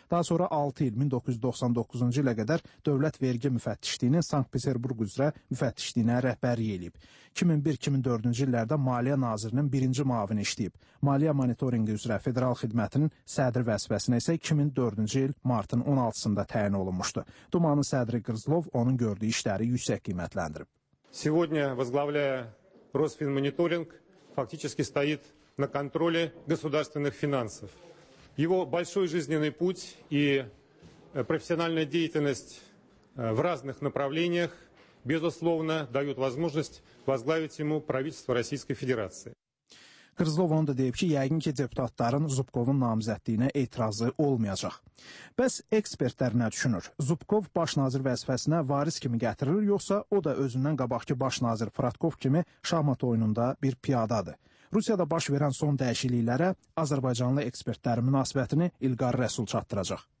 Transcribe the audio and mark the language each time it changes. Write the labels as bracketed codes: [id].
[az] Daha sonra 6 il 1999-cu ilə qədər dövlət vergi müfəttişliyinin Sankt-Peterburq üzrə müfəttişliyinə rəhbərlik eləyib. 2001-2004-cü illərdə Maliyyə Nazirinin birinci müavini işləyib. Maliyyə monitoringi üzrə federal xidmətinin sədri vəzifəsinə isə 2004-cü il martın 16-sında təyin olunmuşdu. Dumanın sədri Qrızlov onun gördüyü işləri yüksək [ru] Сегодня, возглавляя Росфинмониторинг, фактически стоит на контроле государственных финансов. Его большой жизненный путь и профессиональная деятельность в разных направлениях, безусловно, дают возможность возглавить ему правительство Российской Федерации. [az] Qrızlov onu da deyib ki, yəqin ki, deputatların Zubkovun namizədliyinə etirazı olmayacaq. Bəs ekspertlər nə düşünür? Zubkov baş nazir vəzifəsinə varis kimi gətirilir, yoxsa o da özündən qabaqki baş nazir Fratkov kimi şahmat oyununda bir piyadadır? Rusiyada baş verən son dəyişikliklərə azərbaycanlı ekspertlərin münasibətini İlqar Rəsul çatdıracaq.